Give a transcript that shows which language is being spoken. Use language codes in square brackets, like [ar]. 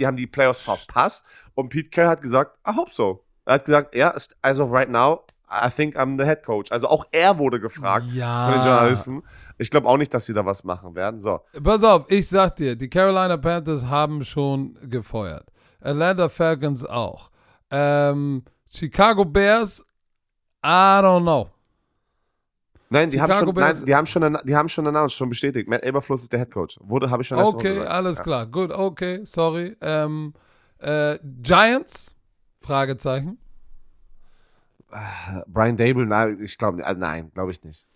[de] Die haben die Playoffs verpasst. Und Pete Carroll hat gesagt, [en] I hope so. [de] Er hat gesagt, ja, [en] as of right now, I think I'm the head coach. [de] Also auch er wurde gefragt von den Journalisten. Ich glaube auch nicht, dass sie da was machen werden. So. Pass auf, ich sag dir, die Carolina Panthers haben schon gefeuert. Atlanta Falcons auch. [en] Chicago Bears, I don't know. [de] Nein, die haben schon announced, schon bestätigt. Matt Eberfluss ist der Head Coach. Habe ich schon letzte Woche gesagt. Okay, alles klar. Gut, okay, sorry. Giants? Fragezeichen. Brian Daboll, nein, glaube ich nicht.